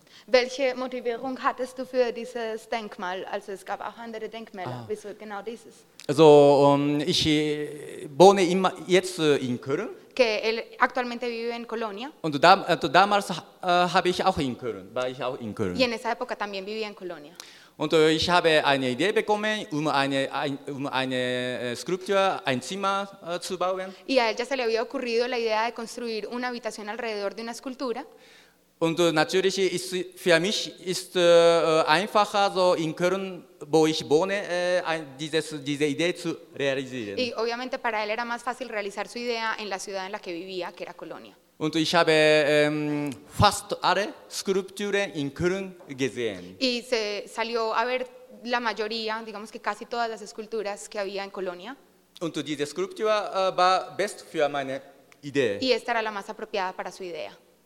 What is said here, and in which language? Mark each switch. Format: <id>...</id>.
<de>Welche Motivierung hattest du für dieses Denkmal? Also es gab auch andere Denkmäler, wieso genau dieses? Also ich wohne jetzt in Köln.</de> <es>Que él actualmente vive en Colonia.</es> <de>Und damals habe ich auch in Köln, war ich auch in Köln.</de> <es>Y en esa época también vivía en Colonia.</es> <de>Und ich habe eine Idee bekommen, um eine Skulptur, ein Zimmer zu bauen.</de> <es>Y a él ya se le había ocurrido la idea de construir una habitación alrededor de una escultura.</es> <de>Und natürlich ist für mich ist einfacher, so in Köln, wo ich wohne, diese Idee zu realisieren.</de> <es>Y obviamente para él era más fácil realizar su idea en la ciudad en la que vivía, que era Colonia.</es> <de>Und ich habe fast alle Skulpturen in Köln gesehen.</de> <es>Y se salió a ver la mayoría, digamos que casi todas las esculturas que había en Colonia.</es> <de>Und diese Skulptur war best für meine Idee.</de> <es>Y esta era la más apropiada para su idea.</es>